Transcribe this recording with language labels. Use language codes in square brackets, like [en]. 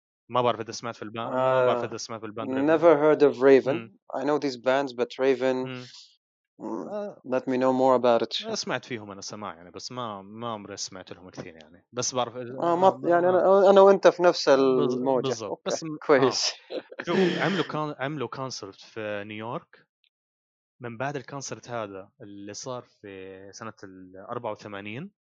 [ar] ما بعرف اذا سمعت في الباند، ما بعرف اذا سمعت في الباند [en] Raven. Never heard of Raven. I know these bands but Raven let me know more about it. [ar] سمعت فيهم انا سماع يعني، بس ما عمري سمعت لهم كثير يعني، بس بعرف ما يعني انا وانت في نفس الموجه. بالضبط. بس كويس. عملوا كونسرت في نيويورك من بعد الكونسرت هذا اللي صار في سنه ال 84.